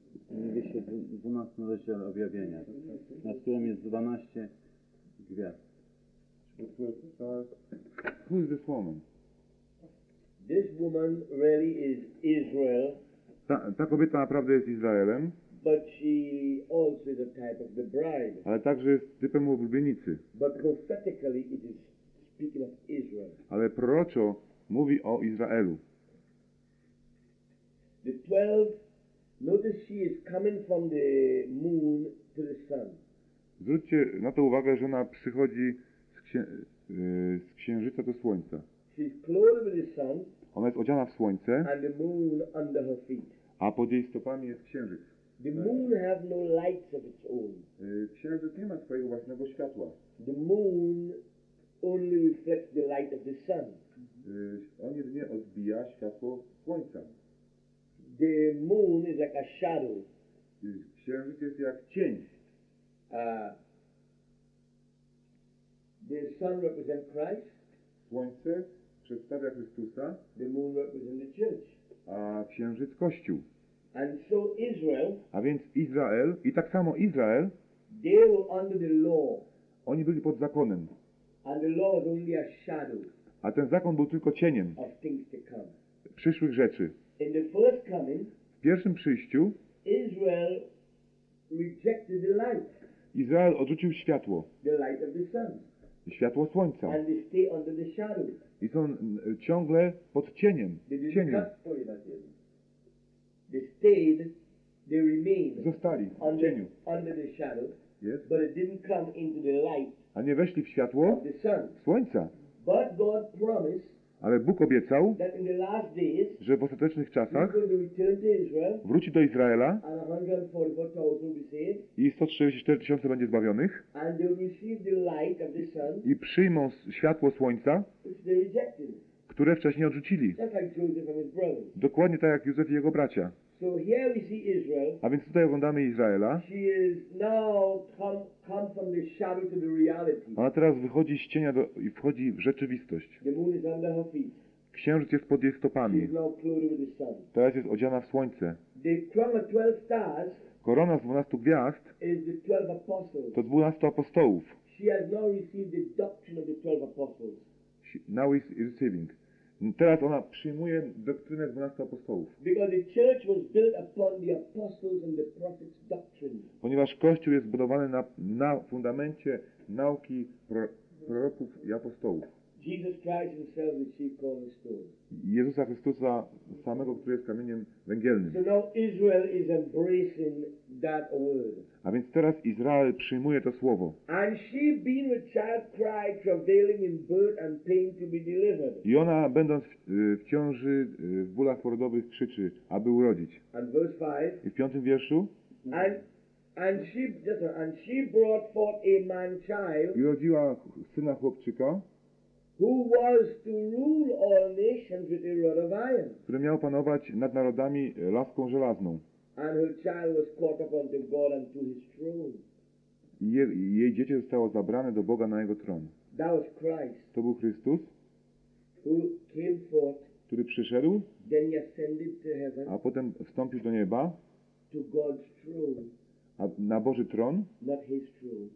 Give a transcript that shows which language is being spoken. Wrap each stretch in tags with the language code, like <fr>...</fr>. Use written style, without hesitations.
<pl>W 12 rozdziale objawienia, na którym jest 12 gwiazd.</pl> <en>Who is this woman? This woman really is Israel.</en> <pl>Ta kobieta naprawdę jest Izraelem.</pl> <en>But she also is a type of the bride.</en> <pl>Ale także jest typem oblubienicy.</pl> <en>But prophetically it is speaking of Israel.</en> <pl>Ale proroczo mówi o Izraelu.</pl> <en>The 12 Notice she is coming from the moon to the sun.</en> <pl>Zwróćcie na to uwagę, że ona przychodzi z księżyca do słońca.</pl> <en>She's clothed with the sun.</en> <pl>Ona jest odziana w słońce.</pl> <en>And the moon under her feet.</en> <pl>A pod jej stopami jest księżyc.</pl> <en>The moon has no lights of its own.</en> <pl>Księżyc nie ma swojego własnego światła.</pl> <en>The moon only reflects the light of the sun.</en> <pl>On jedynie odbija światło słońca.</pl> <en>The moon is like a shadow.</en> <pl>Księżyc jest jak cień.</pl> <en>The sun represents Christ.</en> <pl>Słońce przedstawia Chrystusa.</pl> <en>The moon represents the church.</en> <pl>A księżyc Kościół.</pl> <en>And so Israel.</en> <pl>A więc Izrael i tak samo Izrael.</pl> <en>They were under the law.</en> <pl>Oni byli pod zakonem.</pl> <en>And the law was only a shadow.</en> <pl>A ten zakon był tylko cieniem</pl> <en>of things to come.</en> <pl>Przyszłych rzeczy.</pl> <en>In the first coming,</en> <pl>w pierwszym przyjściu</pl> <en>Israel rejected the light.</en> <pl>Izrael odrzucił światło.</pl> <en>The light of the sun.</en> <pl>Światło słońca.</pl> <en>And they stay under the shadow.</en> <pl>I są ciągle pod cieniem. Cieniem.</pl> <en>They stayed, they remained.</en> <pl>Zostali w cieniu.</pl> <en>Under the shadow. Yes. But it didn't come into the light.</en> <pl>A nie weszli w światło</pl> <en>of the sun.</en> <pl>Słońca.</pl> <en>But God promised.</en> <pl>Ale Bóg obiecał,</pl> <en>that in the last days,</en> <pl>że w ostatecznych czasach</pl> <en>Israel,</en> <pl>wróci do Izraela</pl> <en>and 144,000 be saved,</en> <pl>i 144 tysiące będzie zbawionych</pl> <en>and they'll receive the light of the sun,</en> <pl>i przyjmą światło słońca,</pl> <en>which they rejected,</en> <pl>które wcześniej odrzucili.</pl> <en>Just like Joseph and his brothers.</en> <pl>Dokładnie tak jak Józef i jego bracia.</pl> <en>So here we see Israel,</en> <pl>a więc tutaj oglądamy Izraela.</pl> <en>She is now come from the shadow to the reality.</en> <pl>Ona teraz wychodzi z cienia i wchodzi w rzeczywistość.</pl> <en>The moon is under her feet.</en> <pl>Księżyc jest pod jej stopami.</pl> <en>She is now clothed with the sun.</en> <pl>Teraz jest odziana w słońce.</pl> <en>The crown of 12 stars,</en> <pl>korona z 12 gwiazd,</pl> <en>is the 12 apostles.</en> <pl>To 12 apostołów.</pl> <en>She has now received the doctrine of the 12 apostles. Now is receiving.</en> <pl>Teraz ona przyjmuje doktrynę 12 apostołów.</pl> <en>Because the church was built upon the apostles and the prophets' doctrine.</en> <pl>Ponieważ Kościół jest zbudowany na fundamencie nauki proroków i apostołów.</pl> <en>Jesus Christ himself is the chief cornerstone.</en> <pl>Jezusa Chrystusa samego, który jest kamieniem węgielnym.</pl> <en>So now Israel is embracing that word.</en> <pl>A więc teraz Izrael przyjmuje to słowo.</pl> <en>And she being with child cried, travailing in birth and pain to be delivered.</en> <pl>I ona będąc w ciąży w bólach porodowych krzyczy, aby urodzić.</pl> <en>And verse 5.</en> <pl>I w piątym wierszu.</pl> <en>And she brought forth a man child.</en> <pl>I urodziła syna chłopczyka.</pl> <en>Who was to rule all nations with a rod of iron?</en> <pl>Który miał panować nad narodami laską żelazną.</pl> <en>And her child was caught up unto God and to his throne.</en> <pl>Jej dziecię zostało zabrane do Boga na jego tron.</pl> <en>That was Christ.</en> <pl>To był Chrystus.</pl> <en>Who came forth?</en> <pl>Który przyszedł.</pl> <en>Then he ascended to heaven.</en> <pl>A potem wstąpił do nieba.</pl> <en>To God's throne.</en> <pl>A na Boży tron.</pl> <en>Not his throne.</en>